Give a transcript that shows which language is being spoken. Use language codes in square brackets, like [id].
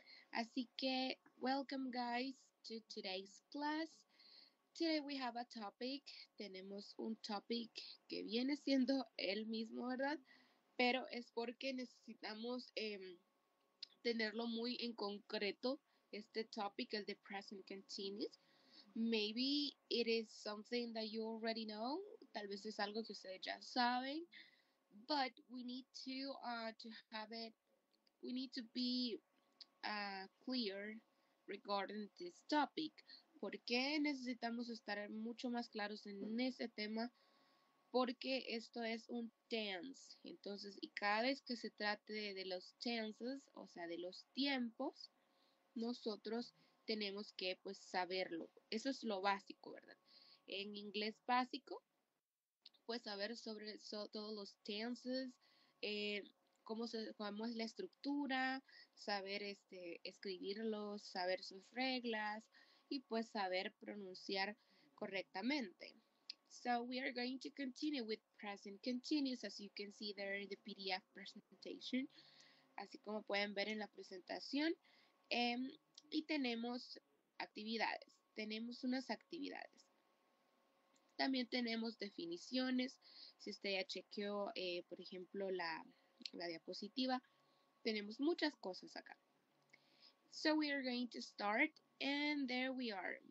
[es] Así que, [en] welcome guys to today's class. Today we have a topic. [es] Tenemos un topic que viene siendo el mismo, ¿verdad? Pero es porque necesitamos tenerlo muy en concreto, este topic, el de present continuous. [en] Maybe it is something that you already know. [es] Tal vez es algo que ustedes ya saben. [en] But we need to be clear regarding this topic. [es] ¿Por qué necesitamos estar mucho más claros en ese tema? Porque esto es un tense. Entonces, y cada vez que se trate de los tenses, o sea, de los tiempos, nosotros tenemos que, pues, saberlo. Eso es lo básico, ¿verdad? En inglés básico, pues saber sobre todos los tenses, cómo es la estructura, saber escribirlos, saber sus reglas y pues saber pronunciar correctamente. [en] So we are going to continue with present continuous, as you can see there in the PDF presentation, [es] así como pueden ver en la presentación. Y tenemos actividades, tenemos unas actividades. También tenemos definiciones. Si usted ya chequeó, por ejemplo, la diapositiva, tenemos muchas cosas acá. [en] So we are going to start, and there we are.